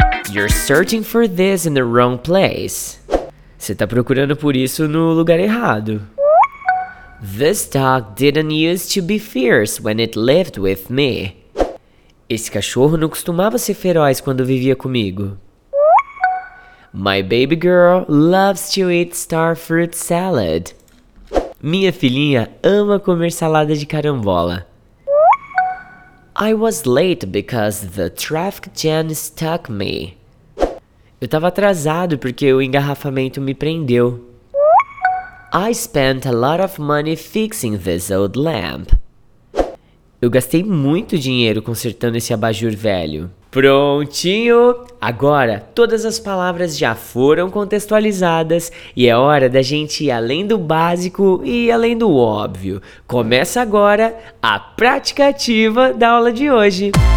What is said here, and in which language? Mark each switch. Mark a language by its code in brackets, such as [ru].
[en] You're searching for this in the wrong place. [pt] Você tá procurando por isso no lugar errado. [en] This dog didn't used to be fierce when it lived with me. [pt] Esse cachorro não costumava ser feroz quando vivia comigo. [en] My baby girl loves to eat star fruit salad. [pt] Minha filhinha ama comer salada de carambola. [en] I was late because the traffic jam stuck me. [pt] Eu estava atrasado porque o engarrafamento me prendeu. [en] I spent a lot of money fixing this old lamp. [pt] Eu gastei muito dinheiro consertando esse abajur velho. Prontinho! Agora, todas as palavras já foram contextualizadas e é hora da gente ir além do básico e além do óbvio. Começa agora a prática ativa da aula de hoje.